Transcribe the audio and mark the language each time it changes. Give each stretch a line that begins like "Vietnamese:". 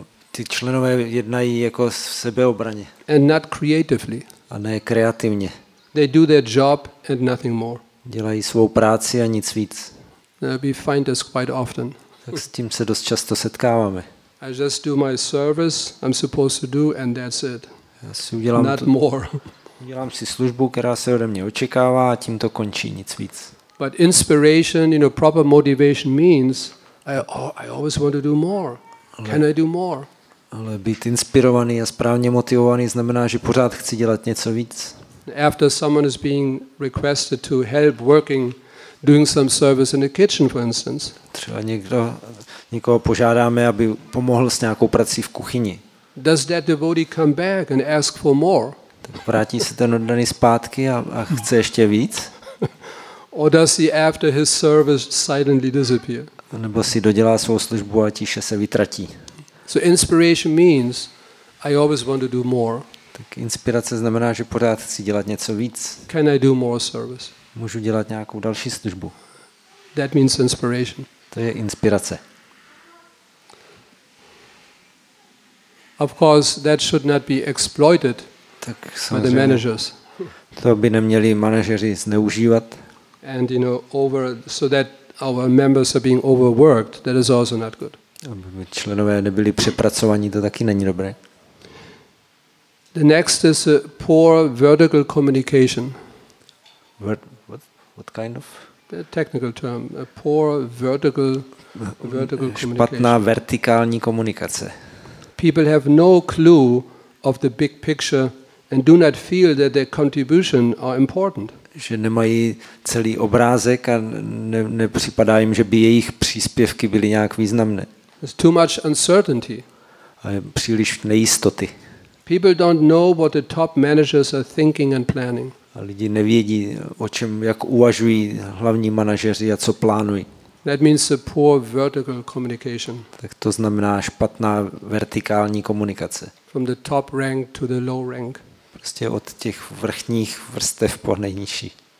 Czech: Ty členové jednají jako v sebeobraně.
English: And not creatively.
Czech: A ne kreativně.
English: They do their job and nothing more.
Czech: Dělají svou práci a nic víc.
English: We find this quite often.
Czech: Tak s tím se dost často setkáváme.
English: I just do my service I'm supposed to do and that's it.
Czech: Já si udělám not to, more. Udělám si službu, která se ode mě očekává, a tím to končí, nic víc.
English: But inspiration, you know, proper motivation means I always want to do more. Can I do more?
Czech: Ale být inspirovaný a správně motivovaný znamená, že pořád chci dělat něco víc.
English: After someone is being requested to help working doing some service in the kitchen, for instance.
Czech: Třeba někoho požádáme, aby pomohl s nějakou prací v kuchyni.
English: Does that devotee come back and ask for more?
Czech: Tak vrátí se ten oddaný zpátky a chce ještě víc?
English: Or does he after his service silently disappear?
Czech: Nebo si dodělá svou službu a tiše se vytratí.
English: So inspiration means I always want to do more.
Czech: Tak inspirace znamená, že pořád chci dělat něco víc.
English: Can I do more service?
Czech: Můžu dělat nějakou další službu.
English: That means inspiration.
Czech: To je inspirace.
English: Of course, that should not be exploited by the managers.
Czech: To by neměli manažeři zneužívat.
English: And you know, over so that our members are being overworked, that is also not good.
Czech: Aby členové nebyli přepracovaní, to taky není dobré.
English: The next is a poor vertical communication. What kind of? A technical term. A poor vertical communication.
Czech: Špatná vertikální komunikace.
English: People have no clue of the big picture and do not feel that their contribution are important.
Czech: Že nemají celý obrázek a nepřipadá jim, že by jejich příspěvky byly nějak významné.
English: There's too much uncertainty.
Czech: A je příliš nejistoty.
English: People don't know what the top managers are thinking and planning.
Czech: A lidi nevědí, o čem, jak uvažují hlavní manažeři a co plánují.
English: That means a poor vertical communication.
Czech: Tak to znamená špatná vertikální komunikace.
English: From the top rank to the low rank.
Czech: Prostě od těch vrchních vrstev po nejnižší.